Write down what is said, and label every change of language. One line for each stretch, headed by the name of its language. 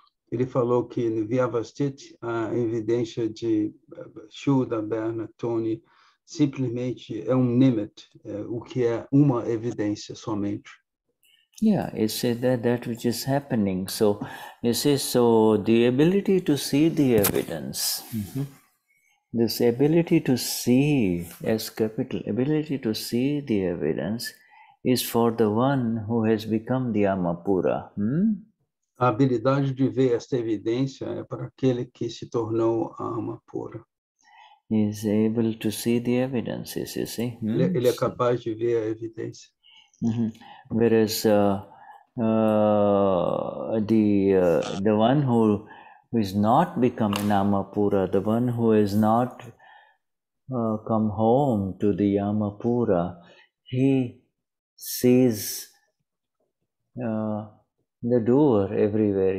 Portuguese: Ele falou que no Vyavasthit, a evidência de Shuddha, Berna, Tony, simplesmente é um nimit, o que é uma evidência somente.
English: Yeah, it's that which is happening. So, you see, so the ability to see the evidence, this ability to see, as capital, ability to see the evidence, is for the one who has become the Amapura.
Portuguese: A habilidade de ver esta evidência é para aquele que se tornou a Amapura.
English: He is able to see the evidences, you see.
Portuguese: Ele é capaz de ver a evidência.
English: Whereas the one who is not become an Amapura, the one who has not come home to the Amapura, he sees the doer everywhere.